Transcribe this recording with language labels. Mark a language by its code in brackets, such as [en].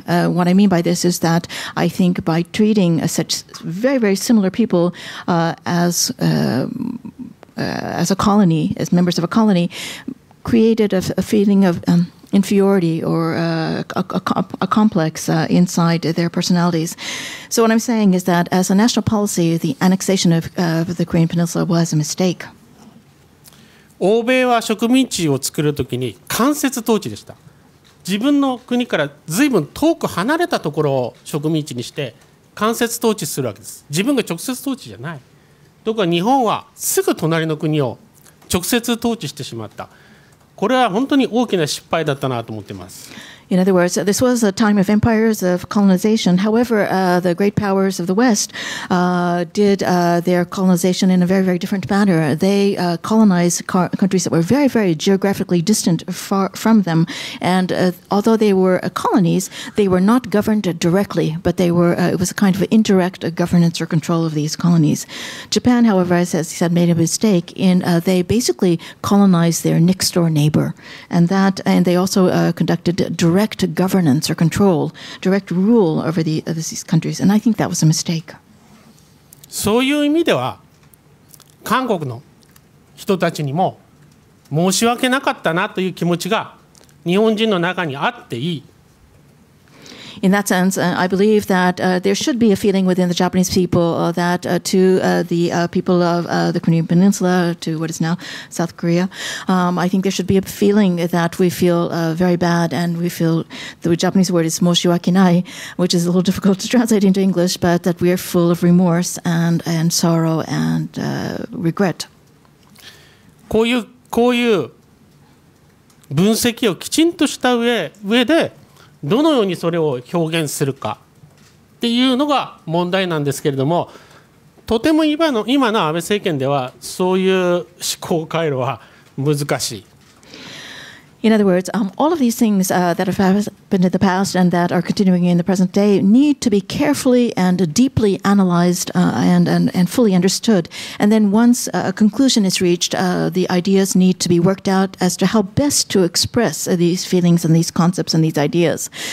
[en] What I mean by this is that I think by treating such very, very similar people as a colony, as members of a colony, created a feeling of inferiority or a complex inside their personalities. So what I'm saying is that as a national policy, the annexation of the Korean Peninsula was a mistake. [ja] 欧米は植民地を作るときに間接統治でした。自分の国からずいぶん遠く離れたところを植民地にして間接統治するわけです。自分が直接統治じゃない。ところが日本はすぐ隣の国を直接統治してしまった。これは本当に大きな失敗だったなと思っています。 [en] In other words, this was a time of empires of colonization. However, the great powers of the West did their colonization in a very, very different manner. They colonized countries that were very, very geographically distant far from them. And although they were colonies, they were not governed directly, but they were, it was a kind of indirect governance or control of these colonies. Japan, however, as he said, made a mistake in they basically colonized their next door neighbor. And that, and they also conducted direct governance or control, direct rule over the of these countries, and I think that was a mistake. [ja] そういう意味では、韓国の人たちにも申し訳なかったなという気持ちが日本人の中にあっていい。 [en] In that sense, I believe that there should be a feeling within the Japanese people that to the people of the Korean Peninsula, to what is now South Korea, I think there should be a feeling that we feel very bad, and we feel the Japanese word is moshiwakinai, which is a little difficult to translate into English, but that we are full of remorse and sorrow and regret. [ja] こういう分析をきちんとした上でどのようにそれを表現するかっていうのが問題なんですけれども、とても今の安倍政権ではそういう思考回路は難しい。 [en] In other words, all of these things that have happened in the past and that are continuing in the present day need to be carefully and deeply analyzed and fully understood. And then once a conclusion is reached, the ideas need to be worked out as to how best to express these feelings and these concepts and these ideas.